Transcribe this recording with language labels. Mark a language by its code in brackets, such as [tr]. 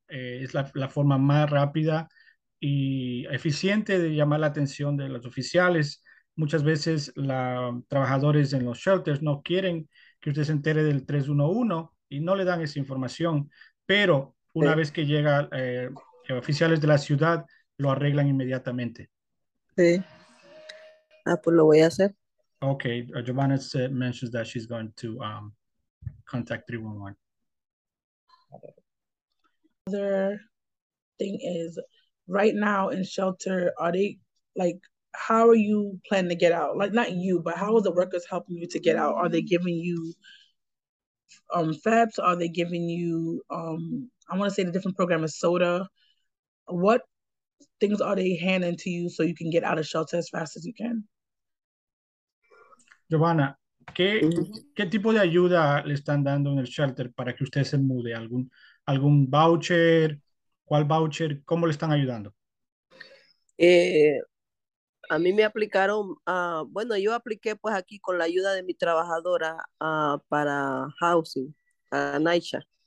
[es] Es la forma más rápida y eficiente de llamar la atención de los oficiales. Muchas veces trabajadores en los shelters no quieren que usted se entere del 311 y no le dan esa información. Pero una vez que llega oficiales de la ciudad, lo arreglan inmediatamente. Sí. Ah, pues lo voy a hacer. [en] Okay, Giovanna mentions that she's going to contact 311. Other thing is, right now in shelter, are they, like, how are you planning to get out? Like, not you, but how are the workers helping you to get out? Are they giving you FEPS? Are they giving you, I want to say the different program is SODA. What things are they handing to you so you can get out of shelter as fast as you can? [es] Giovanna, ¿qué tipo de ayuda le están dando en el shelter para que usted se mude? ¿Algún voucher? ¿Cuál voucher? ¿Cómo le están ayudando? A mí me aplicaron, bueno, yo apliqué pues aquí con la ayuda de mi trabajadora para housing, a NYCHA.